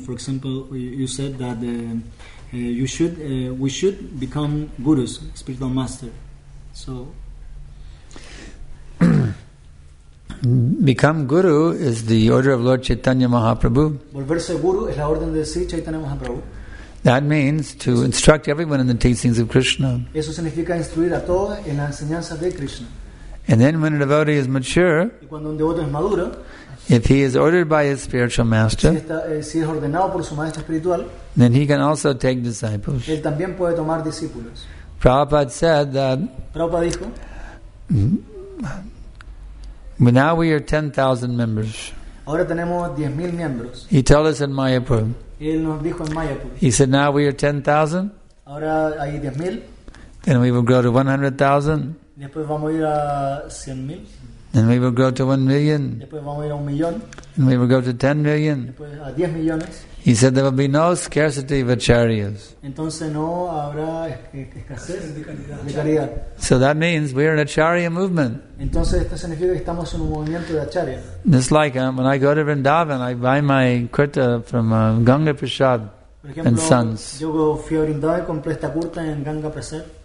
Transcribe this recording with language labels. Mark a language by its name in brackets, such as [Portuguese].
[English] For example, you said that we should become gurus, spiritual master. So become guru is the order of Lord Chaitanya Mahaprabhu. [Spanish] Volverse guru es la orden de Sri Chaitanya Mahaprabhu. [English] That means to instruct everyone in the teachings of Krishna. [Spanish] Eso significa instruir a todos en la enseñanza de Krishna. [English] And then when a devotee is mature, [Spanish] y cuando un devoto es maduro, [English] if he is ordered by his spiritual master, [Spanish] si es ordenado por su maestro espiritual, [English] then he can also take disciples. [Spanish] Él también puede tomar discípulos. [English] Prabhupada said that [Spanish] Prabhupada dijo, [English] but now we are 10,000 members. [Spanish] Ahora tenemos 10,000 miembros. [English] He told us in Mayapur. [Spanish] Él nos dijo en Mayapur. [English] He said, now we are 10,000. [Spanish] Ahora hay 10,000. [English] Then we will grow to 100,000. [Spanish] Después vamos a ir a 100,000. [English] Then we will grow to 1 million. [Spanish] Después vamos a ir a 1 millón. [English] Then we will grow to 10 million. [Spanish] Después a 10 millones. [English] He said, there will be no scarcity of acharyas. [Spanish] Entonces no habrá escasez de caridad. [English] So that means we are an acharya movement. [Spanish] Entonces esto significa que estamos en un movimiento de acharya. [English] It's like when I go to Vrindavan, I buy my kurta from Ganga Prasad and Sons. [Spanish] Por ejemplo, yo fui a Vrindavan y compré esta kurta en Ganga Prasad.